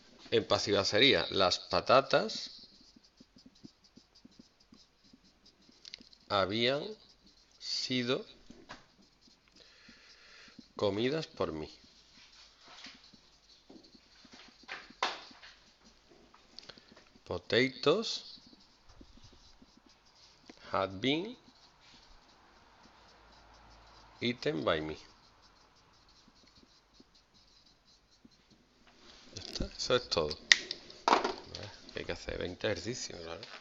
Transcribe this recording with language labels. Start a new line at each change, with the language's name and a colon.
Spanish: En pasiva sería las patatas habían sido comidas por mí.
English: Potatoes had been eaten by me.
Spanish: Eso es todo. Hay que hacer 20 ejercicios, ¿verdad?